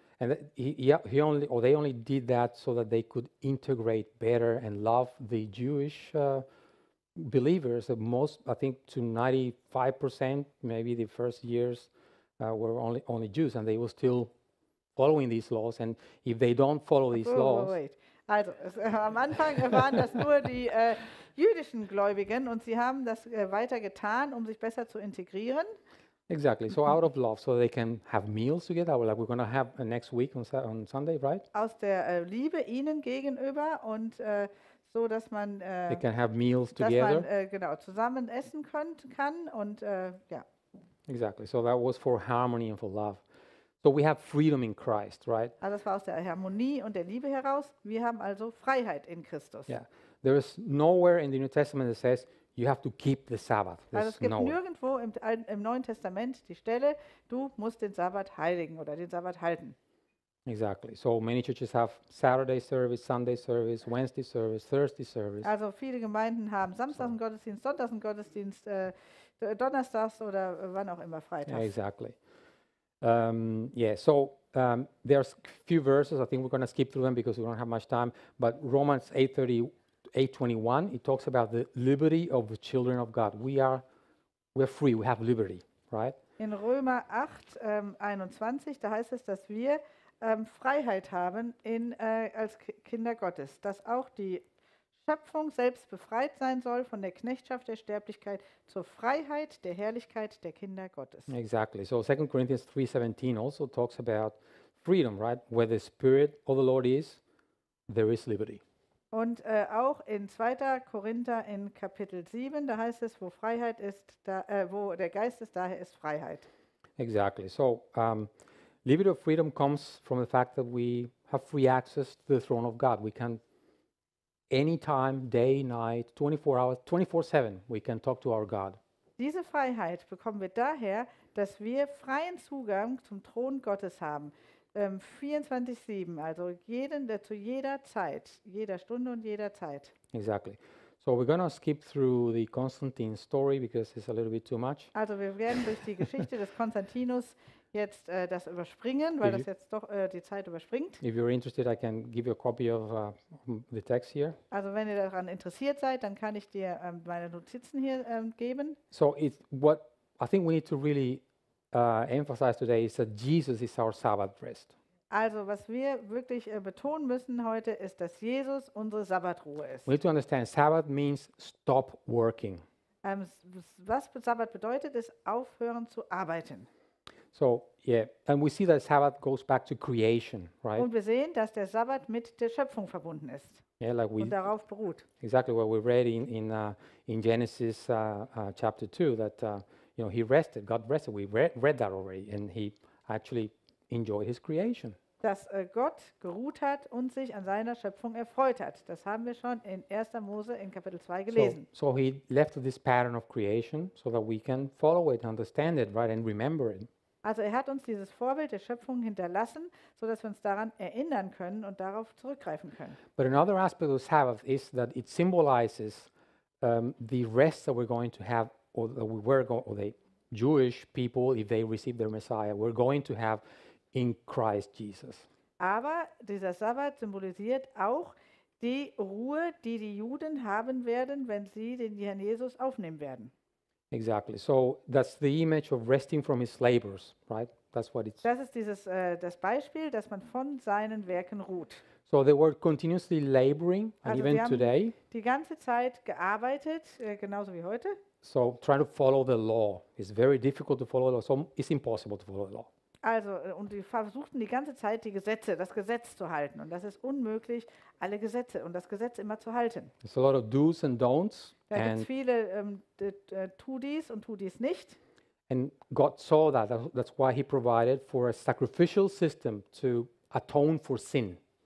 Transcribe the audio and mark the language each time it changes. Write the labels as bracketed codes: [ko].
[en] And they only did that so that they could integrate better and love the Jewish believers. The most, I think, to 95%, maybe the first years were only Jews, and they were still following these laws. And if they don't follow these laws, wait. [de] Also am Anfang waren das nur die jüdischen Gläubigen, und sie haben das weiter getan, um sich besser zu integrieren. [en] Exactly. So out of love, so they can have meals together, like we're going to have next week on Sunday, right? [de] Aus der Liebe ihnen gegenüber und so, dass man [en] they can have meals together. [de] Dass man genau zusammen essen kann und ja. [en] Exactly. So that was for harmony and for love. So we have freedom in Christ, right? [de] Also das war aus der Harmonie und der Liebe heraus. Wir haben also Freiheit in Christus. [en] Yeah. There is nowhere in the New Testament that says you have to keep the Sabbath. There's [de] also es gibt nirgendwo im Neuen Testament die Stelle, du musst den Sabbat heiligen oder den Sabbat halten. [en] Exactly. So many churches have Saturday service, Sunday service, Wednesday service, Thursday service. [de] Also viele Gemeinden haben Samstags einen Gottesdienst, Sonntags einen Gottesdienst, Donnerstags oder wann auch immer Freitags. [en] Yeah, exactly. There's a few verses. I think we're going to skip through them because we don't have much time. But Romans 8:21, it talks about the liberty of the children of God. We're free. We have liberty, right? [de] In Römer 8, 21, da heißt es, dass wir Freiheit haben als Kinder Gottes, dass auch die Schöpfung selbst befreit sein soll von der Knechtschaft der Sterblichkeit zur Freiheit der Herrlichkeit der Kinder Gottes. [en] Exactly. So 2 Corinthians 3:17 also talks about freedom, right? Where the Spirit of the Lord is, there is liberty. [de] Und auch in 2. Korinther in Kapitel 7, da heißt es, wo Freiheit ist, da wo der Geist ist, daher ist Freiheit. [en] Exactly. So liberty or freedom comes from the fact that we have free access to the throne of God. We can anytime, day, night, 24 hours, 24/7, we can talk to our God. [de] Diese Freiheit bekommen wir daher, dass wir freien Zugang zum Thron Gottes haben. 24/7, also jeden, der zu jeder Zeit, jeder Stunde und jeder Zeit. [en] Exactly. So we're going to skip through the Constantine story because it's a little bit too much. [de] Also wir werden durch die Geschichte des Konstantinus jetzt das überspringen, weil das jetzt doch die Zeit überspringt. [en] If you're interested, I can give you a copy of the text here. [de] Also wenn ihr daran interessiert seid, dann kann ich dir meine Notizen hier geben. [en] So it's what I think we need to really emphasize today is that Jesus is our Sabbath rest. [de] Also was wir wirklich betonen müssen heute ist, dass Jesus unsere Sabbatruhe ist. [en] We need to understand Sabbath means stop working. [de] Was Sabbat bedeutet, ist aufhören zu arbeiten. [en] So yeah, and we see that Sabbath goes back to creation, right? [de] Und wir sehen, dass der Sabbat mit der Schöpfung verbunden ist. [en] Yeah, like [de] und darauf beruht. [en] Exactly what we read in Genesis chapter 2, that you know, he rested, God rested. We read that already, and he actually enjoyed his creation. [de] Dass Gott geruht hat und sich an seiner Schöpfung erfreut hat. Das haben wir schon in 1. Mose in Kapitel 2 gelesen. [en] So he left this pattern of creation so that we can follow it, understand it, right, and remember it. [de] Also er hat uns dieses Vorbild der Schöpfung hinterlassen, so dass wir uns daran erinnern können und darauf zurückgreifen können. [en] But another aspect of Sabbath is that it symbolizes the rest that we're going to have, or that we were going, or the Jewish people, if they receive their Messiah, we're going to have in Christ Jesus. [de] Aber dieser Sabbat symbolisiert auch die Ruhe, die die Juden haben werden, wenn sie den Herrn Jesus aufnehmen werden. [en] Exactly. So that's the image of resting from his labors, right? That's what it's. [de] Das ist dieses das Beispiel, dass man von seinen Werken ruht. [en] So they were continuously laboring, [de] also and [en] even today. [de] Also sie haben die ganze Zeit gearbeitet, genauso wie heute. [en] So trying to follow the law is very difficult to follow the law. So it's impossible to follow the law. [de] Also und die versuchten die ganze Zeit die Gesetze, das Gesetz zu halten, und das ist unmöglich, alle Gesetze und das Gesetz immer zu halten. [en] It's a lot of do's and don'ts. [de] Da gibt's viele tu dies und tu dies nicht. [en] And God saw that. That's why he provided for a sacrificial system to atone for sin.